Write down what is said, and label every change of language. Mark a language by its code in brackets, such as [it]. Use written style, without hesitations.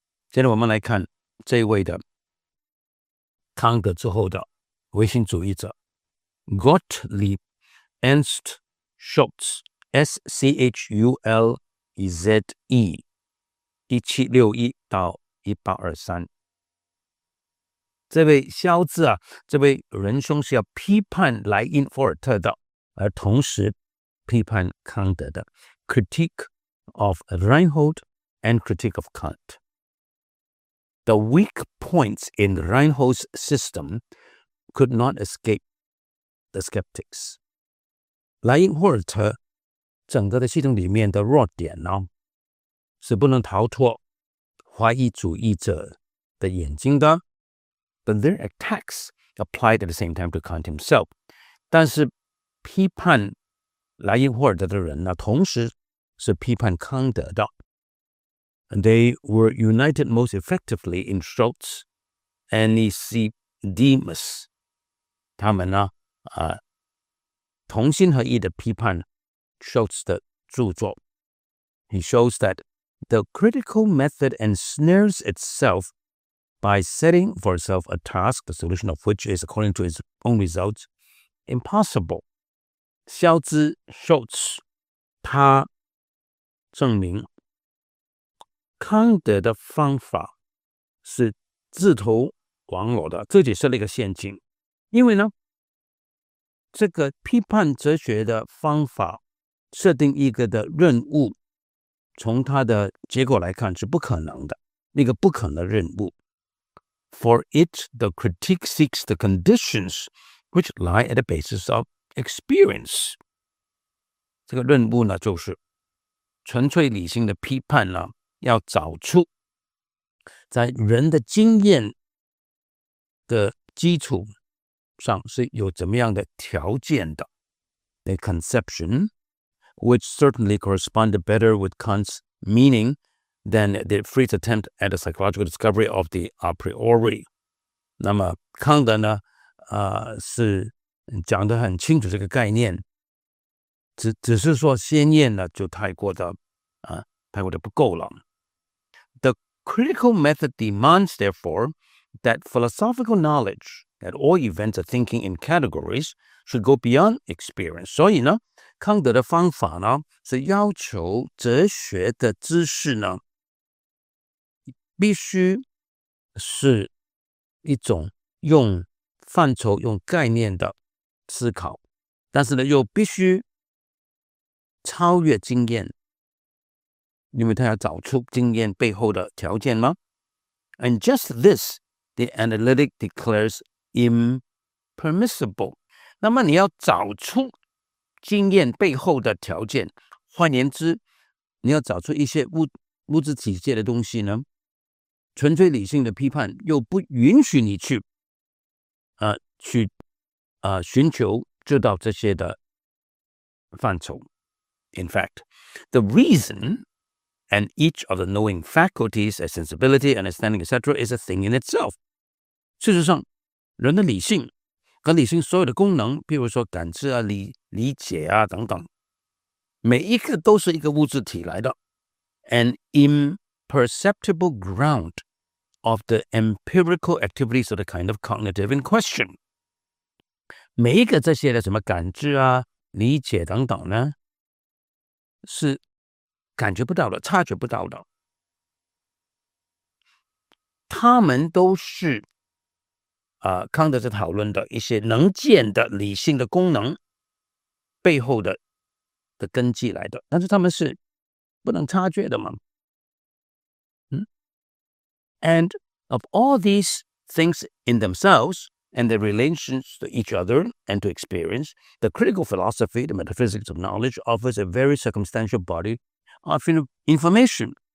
[zh] 接着我们来看这一位的康德之后的唯心主义者 Gottlieb Ernst Schultze S-C-H-U-L-E-Z-E 1761-1823。这位肖兹啊，这位仁兄是要批判莱因霍尔特的，而同时批判康德的 [en] Critique of Reinhold and Critique of Kant. The weak points in Reinhold's system could not escape the skeptics. [zh] 莱因霍尔特整个的系统里面的弱点呢，是不能逃脱怀疑主义者的眼睛的。 [en] But their attacks applied at the same time to Kant himself. [zh] 但是批判莱因霍尔特的人呢，同时是批判康德的。 [en] And they were united most effectively in Schultz and Nicodemus. [zh] 他们呢，同心合意的批判 Schultz 的著作。 [en] He shows that the critical method ensnares itself. By setting for itself a task, the solution of which is, according to its own results, impossible. [zh] 肖兹 Schultz 他证明康德的方法是自投网罗的，自己设了一个陷阱。因为呢，这个批判哲学的方法设定一个的任务，从它的结果来看是不可能的，那个不可能的任务。 [en] For it, the critique seeks the conditions which lie at the basis of experience. [zh] 这个任务呢，就是纯粹理性的批判呢，要找出在人的经验的基础上是有怎么样的条件的。 [en] The conception, which certainly corresponded better with Kant's meaning,than the Fried's attempt at a psychological discovery of the a priori. [zh] 那么康德呢，是讲得很清楚这个概念，只是说先验呢就太过的不够了。 [en] The critical method demands, therefore, that philosophical knowledge, at all events of thinking in categories, should go beyond experience. [zh] 所以呢，康德的方法呢，是要求哲学的知识呢必须是一种用范畴、用概念的思考，但是呢，又必须超越经验，因为他要找出经验背后的条件吗 [en] ？And just this, the analytic declares impermissible. [zh] 那么你要找出经验背后的条件，换言之，你要找出一些物质体系的东西呢？纯粹理性的批判又不允许你去寻求知道这些的范畴。 [en] In fact, the reason and each of the knowing faculties, as sensibility, understanding, etc., is a thing in itself. [zh] 事实上，人的理性和理性所有的功能，比如说感知啊、理解啊等等，每一个都是一个物质体来的。 [en] And imperceptible ground of the empirical activities of the kind of cognitive in question. [zh] 每一个这些的什么感知啊、理解等等呢，是感觉不到的、察觉不到的。他们都是康德在讨论的一些能见的理性的功能背后的根基来的，但是他们是不能察觉的嘛。 [en] And of all these things in themselves, and their relations to each other and to experience, the critical philosophy, the metaphysics of knowledge, offers a very circumstantial body of information.